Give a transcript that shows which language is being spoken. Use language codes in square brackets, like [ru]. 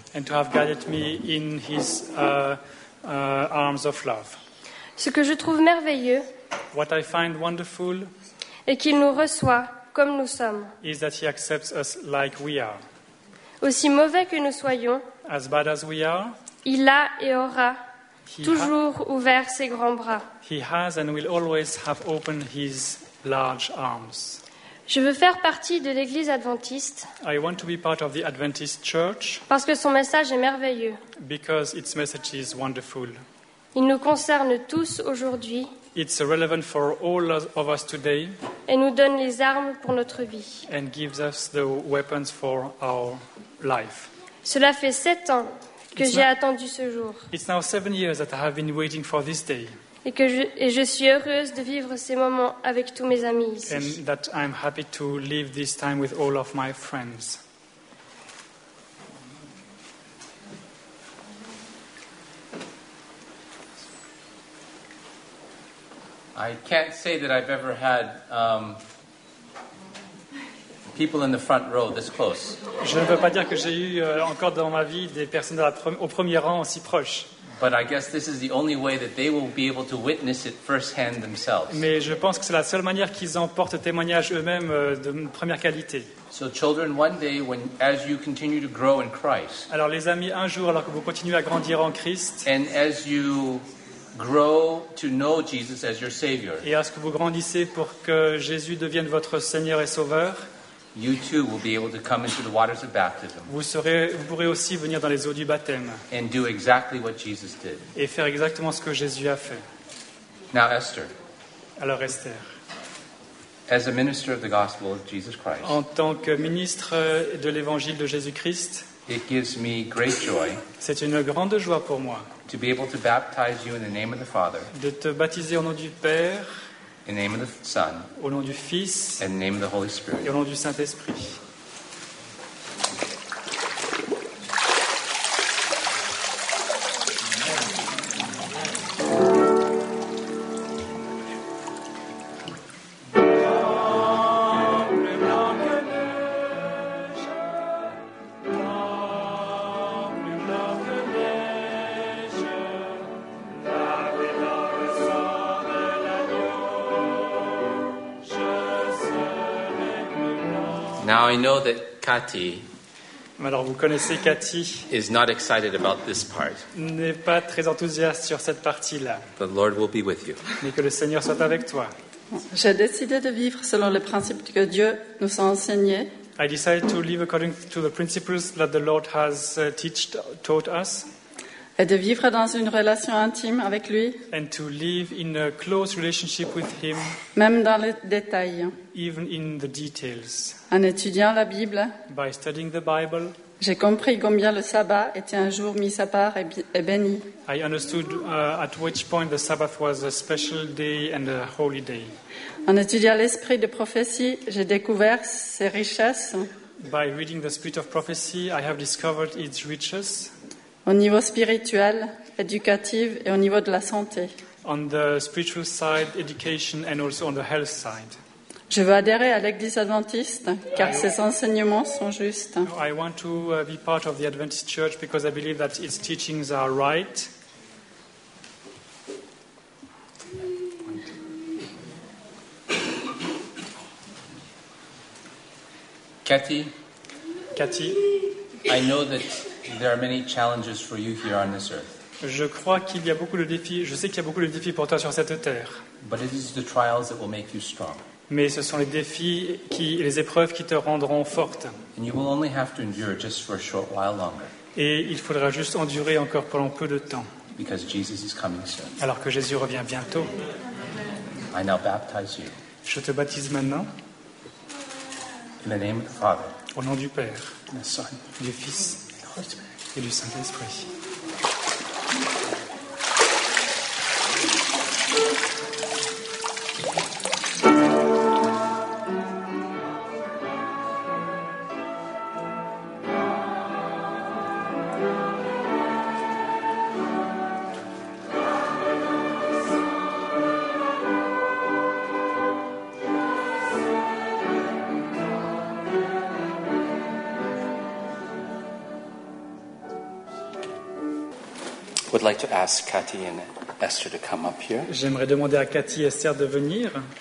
[en] And to have guided me in his arms of love. [fr] Ce que je trouve merveilleux. [en] What I find wonderful. [fr] Et qu'il nous reçoit comme nous sommes. [en] Is that he accepts us like we are. [fr] Aussi mauvais que nous soyons. [en] As bad as we are. [fr] Il a et aura. Toujours ouvert ses grands bras. [en] He has and will always have opened his large arms. [fr] Je veux faire partie de l'Église adventiste. [en] I want to be part of the Adventist Church. [fr] Parce que son message est merveilleux. [en] Because its message is wonderful. [fr] Il nous concerne tous aujourd'hui. [en] It's relevant for all of us today. [fr] Et nous donne les armes pour notre vie. [en] And gives us the weapons for our life. [fr] Cela fait 7 ans que j'ai attendu ce jour. [en] It's now 7 years that I have been waiting for this day. [fr] Et que je suis heureuse de vivre ces moments avec tous mes amis ici. [en] And that I'm happy to live this time with all of my friends. I can't say that I've ever had people in the front row this close. [fr] Je ne veux pas dire que j'ai eu encore dans ma vie des personnes au premier rang aussi proches. [en] But I guess this is the only way that they will be able to witness it firsthand themselves. [fr] Mais je pense que c'est la seule manière qu'ils en portent témoignage eux-mêmes de première qualité. [en] So children, one day when as you continue to grow in Christ. [fr] Alors les amis, un jour alors que vous continuez à grandir en Christ. [en] And as you grow to know Jesus as your savior. [fr] Et à ce que vous grandissez pour que Jésus devienne votre Seigneur et Sauveur. [en] You too will be able to come into the waters of baptism. [fr] Vous pourrez aussi venir dans les eaux du baptême. [en] And do exactly what Jesus did. [fr] Et faire exactement ce que Jésus a fait. [en] Now Esther. [fr] Alors Esther. [en] As a minister of the gospel of Jesus Christ. [fr] En tant que ministre de l'évangile de Jésus-Christ. [en] It gives me great joy. [fr] C'est une grande joie pour moi. [en] To be able to baptize you in the name of the Father. [fr] De te baptiser au nom du Père. [en] In the name of the Son. [fr] Au nom du Fils. [en] In the name of the Holy Spirit. [fr] Et au nom du Saint-Esprit. [en] Now I know that Cathy. [fr] Alors vous connaissez Cathy. [en] Is not excited about this part. [fr] N'est pas très enthousiaste sur cette partie-là. [en] The Lord will be with you. [fr] Mais que le Seigneur soit avec toi. J'ai décidé de vivre selon les principes que Dieu nous a enseignés. [en] I decided to live according to the principles that the Lord has taught us. [fr] Et de vivre dans une relation intime avec lui. [en] And to live in a close relationship with him. [fr] Même dans les détails. [en] Even in the details. [fr] En étudiant la Bible. [en] By studying the Bible. [fr] J'ai compris combien le sabbat était un jour mis à part et béni. [en] I understood at which point the Sabbath was a special day and a holy day. [fr] En étudiant l'esprit de prophétie, j'ai découvert ses richesses. [en] By reading the spirit of prophecy, I have discovered its riches. [fr] Au niveau spirituel, éducatif et au niveau de la santé. [en] On the spiritual side, education and also on the health side. [fr] Je veux adhérer à l'église adventiste car ses enseignements sont justes. [en] I want to be part of the Adventist church because I believe that its teachings are right. Cathy, I know that there are many challenges for you here on this earth. [fr] Je crois qu'il y a beaucoup de défis. Je sais qu'il y a beaucoup de défis pour toi sur cette terre. [en] But it is the trials that will make you strong. [fr] Mais ce sont les défis qui, les épreuves qui te rendront forte. [en] And you will only have to endure just for a short while longer. [fr] Et il faudra juste endurer encore pendant peu de temps. [en] Because Jesus is coming soon. [fr] Alors que Jésus revient bientôt. [en] I now baptize you. [fr] Je te baptise maintenant. [en] In the name of the Father. [fr] Au nom du Père. [en] The Son. [fr] Du Fils. Et du Saint-Esprit. [en] Like to ask Cathy and Esther to come up here. [fr] J'aimerais demander à Cathy et Esther de venir.